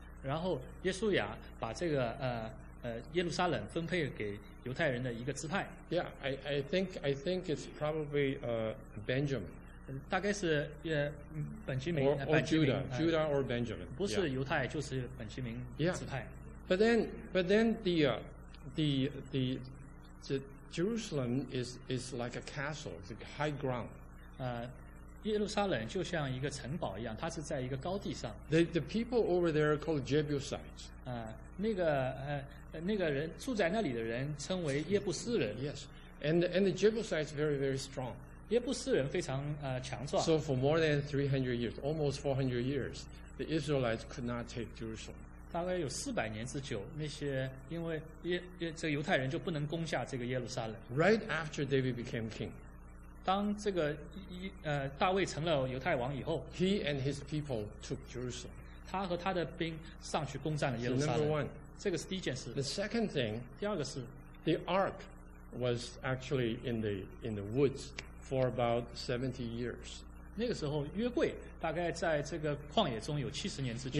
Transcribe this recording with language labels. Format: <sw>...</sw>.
<zh>然后耶稣亚把这个耶路撒冷分配给犹太人的一个支派。</zh> <en>Yeah, I think it's probably Benjamin.</en> <zh>大概是本基明。</zh> <en>Or Judah or Benjamin.</en> <zh>不是犹太就是本基明支派。</zh> <en>Yeah. But then the the Jerusalem is like a castle, the high ground.</en> <zh>耶路撒冷就像一个城堡一样，它是在一个高地上。</zh> <en>The people over there are called Jebusites.</en> <zh>那个人住在那里的人称为耶布斯人。</zh> <en>Yes, and the Jebusites very very strong.</en> <zh>耶布斯人非常强壮。</zh> <en>So for more than 300 years, almost 400 years, the Israelites could not take Jerusalem.</en> <zh>大概有四百年之久，那些因为这犹太人就不能攻下这个耶路撒冷。</zh> <en>Right after David became king.</en> <zh>当这个大卫成了犹太王以后</zh> <en>，He and his people took Jerusalem.</en> <zh>他和他的兵上去攻占了耶路撒冷。</zh> <en>So、number one,</en> <zh>这个是第一件事。</zh> <en>The second thing,</en> <zh>第二个是</zh> <en>，The ark was actually in the woods for about 70 years.</en> <zh>那个时候约柜大概在这个旷野中有70年之久。</zh>